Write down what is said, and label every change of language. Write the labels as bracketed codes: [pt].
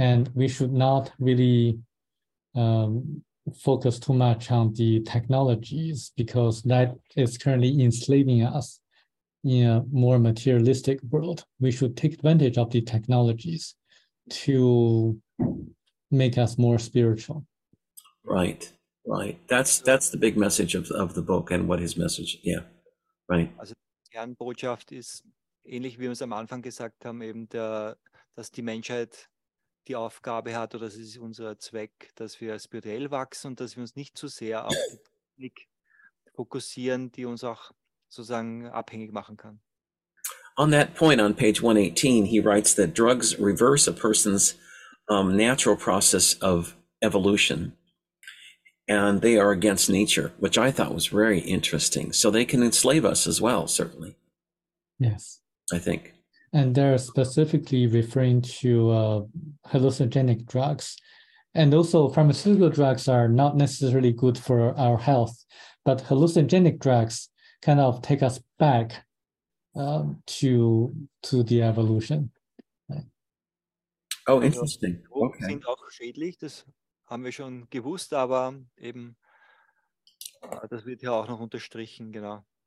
[en] And we should not really focus too much on the technologies, because that is currently enslaving us in a more materialistic world. We should take advantage of the technologies to make us more spiritual. Right. Right. That's the big message of the book and what his message. Yeah. Right. [de] Also, die Kernbotschaft ist ähnlich wie wir es am Anfang gesagt haben, eben dass die Menschheit die Aufgabe hat, oder das ist unser Zweck, dass wir spirituell wachsen und dass wir uns nicht zu sehr auf die Technik fokussieren, die uns auch sozusagen abhängig machen kann. [en] On that point, on page 118, he writes that drugs reverse a person's natural process of evolution. And they are against nature, which I thought was very interesting. So they can enslave us as well, certainly. Yes. I think. And they're specifically referring to hallucinogenic drugs. And also pharmaceutical drugs are not necessarily good for our health, but hallucinogenic drugs kind of take us back to the evolution. Oh, interesting. Okay. [de] Sind auch schädlich, das haben wir schon gewusst, aber eben das wird ja auch noch unterstrichen, genau.